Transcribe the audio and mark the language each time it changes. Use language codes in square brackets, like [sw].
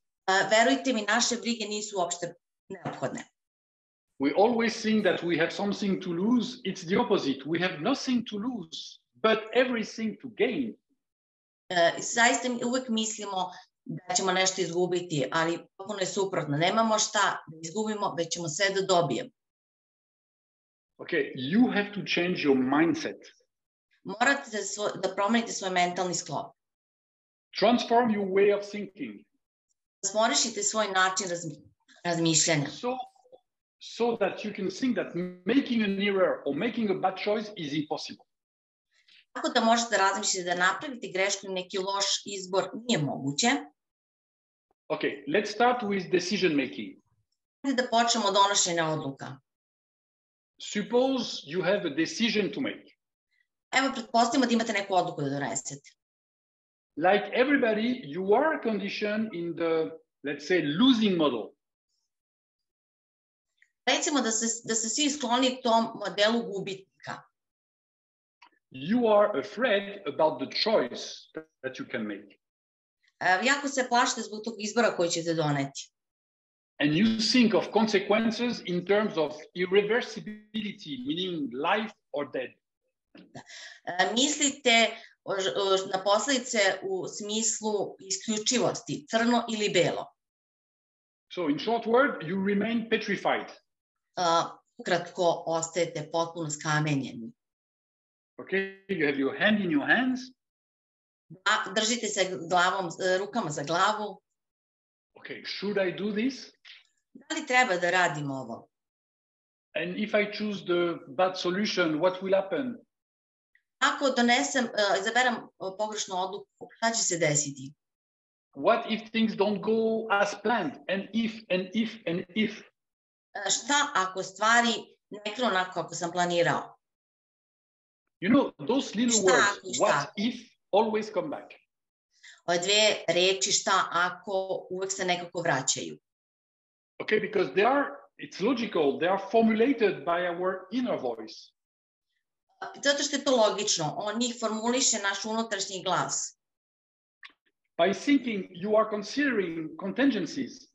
[sr] Verujte mi, naše brige nisu uopšte neophodne. [en] We always think that we have something to lose. It's the opposite. We have nothing to lose, but everything to gain. [sr] Zaista uvek mislimo da ćemo nešto izgubiti, ali potpuno je suprotno. Nemamo šta da izgubimo, već ćemo sve da dobijemo. [en] Okay, you have to change your mindset. [sr] Morate da promenite svoj mentalni sklop. [en] Transform your way of thinking. [sr] Transformišite svoj način razmišljanja. [en] So that you can think that making an error or making a bad choice is impossible. [sr] Tako da možete da razmišljate da napravite grešku, neki loš izbor nije moguće. [en] Okay, let's start with decision making. [sr] Hajde da počnemo od donošenja odluka. [en] Suppose you have a decision to make. [sr] Evo, pretpostavimo da imate neku odluku da donesete. [en] Like everybody, you are conditioned in the, let's say, losing model. [sr] Recimo da se svi skloni tom modelu gubitnika. [en] You are afraid about the choice that you can make. [sr] Jako se plašite zbog tog izbora koji ćete doneti. [en] And you think of consequences in terms of irreversibility, meaning life or death. [sr] Mislite na posledice u smislu isključivosti, crno ili belo. [en] So in short word, you remain petrified. [sr] Kratko, ostajete potpuno skamenjeni. [en] Okay, you have your hand in your hands. [sr] Držite se glavom, rukama za glavu. [en] Okay, should I do this? [sr] Da li treba da radim ovo? [en] And if I choose the bad solution, what will happen? [sr] Ako donesem, izaberem pogrešnu odluku, šta će se desiti? [en] What if things don't go as planned? And if? [sr] Šta ako stvari ne krenu onako kako sam planirao? [en] You know, those little words, what if, always come back. [sr] Ove dve reči, šta ako, uvek se nekako vraćaju. [en] Okay, because they are, it's logical, they are formulated by our inner voice. [sr] Zato što je to logično, on ih formuliše naš unutrašnji glas. [en] By thinking, you are considering contingencies.